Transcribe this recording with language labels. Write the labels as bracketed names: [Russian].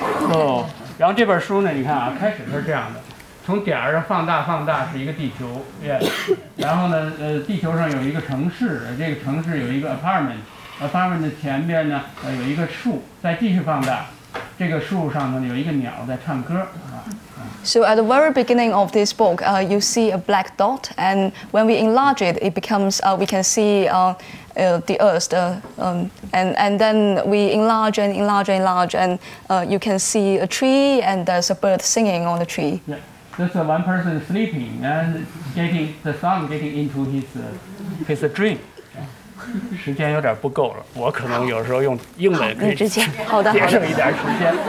[Chinese] So, 然后这本书呢，你看啊，开始是这样的，从点儿上放大是一个地球 ，Yeah. 然后呢，地球上有一个城市，这个城市有一个 apartment 的前边呢，有一个树，再继续放大，这个树上呢有一个鸟在唱歌。 [English] So at the very beginning of this book, you see a black dot, and when we enlarge it, it becomes, we can see the earth, and then we enlarge, and you can see a tree, and there's a bird singing on the tree. Yeah, there's one person sleeping, and the sun getting into his dream. [Chinese] 时间有点不够了，我可能有时候用英文可以节省一点时间。